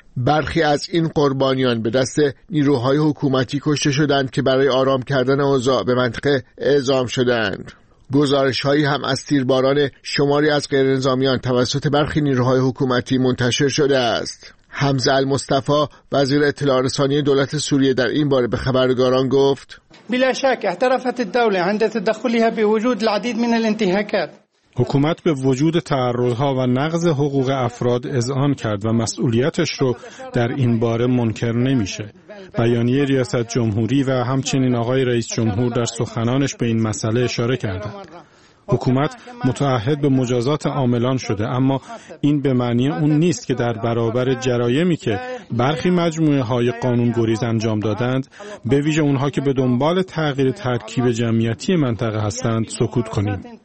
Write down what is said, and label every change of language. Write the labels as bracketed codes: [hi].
[fa] برخی از این قربانیان به دست نیروهای حکومتی کشته شدند که برای آرام کردن اوضاع به منطقه اعزام شدند. گزارش‌هایی هم از تیرباران شماری از غیرنظامیان توسط برخی نیروهای حکومتی منتشر شده است. حمزه المصطفی وزیر اطلاع رسانی دولت سوریه در این باره به خبرگزاران گفت: [ar] بلا شک اعترفت الدوله عند تدخلها بوجود العديد من الانتهاكات. [fa] حکومت به وجود تعرضها و نقض حقوق افراد اذعان کرد و مسئولیتش رو در این باره منکر نمیشه. بیانیه ریاست جمهوری و همچنین آقای رئیس جمهور در سخنانش به این مسئله اشاره کردند. حکومت متعهد به مجازات عاملان شده، اما این به معنی اون نیست که در برابر جرایمی که برخی مجموعه های قانون گریز انجام دادند، به ویژه اونها که به دنبال تغییر ترکیب جمعیتی منطقه هستند، سکوت کنیم.